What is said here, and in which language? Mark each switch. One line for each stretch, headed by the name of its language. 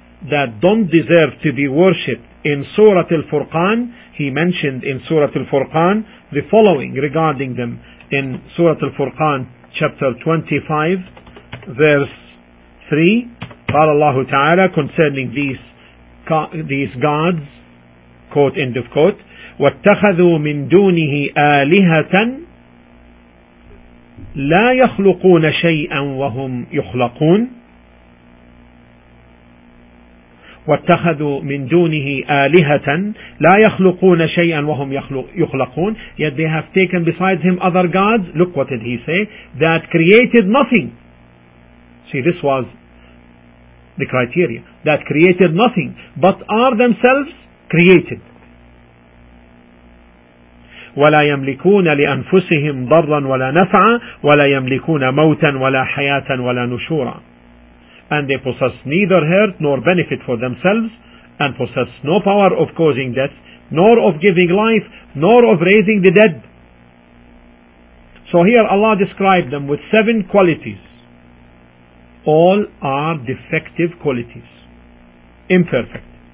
English: that don't deserve to be worshipped in Surah Al-Furqan, he mentioned in Surah Al-Furqan the following regarding them in Surah Al-Furqan chapter 25 verse 3.
Arabic: قال الله تعالى
English: concerning these gods, quote end of quote,
Arabic: واتخذوا من دونه آلهة لا يخلقون شيئا وهم يخلقون. واتخذوا من دونه آلهة لا يخلقون شيئا وهم يخلقون.
English: Yet they have taken besides him other gods, look what did he say, that created nothing. See, this was the criteria, that created nothing but are themselves created.
Arabic: ولا يملكون لأنفسهم ضرا ولا نفعا ولا يملكون موتا ولا حياة ولا نشورا.
English: And they possess neither hurt nor benefit for themselves, and possess no power of causing death, nor of giving life, nor of raising the dead. So here Allah described them with seven qualities. All are defective qualities, imperfect.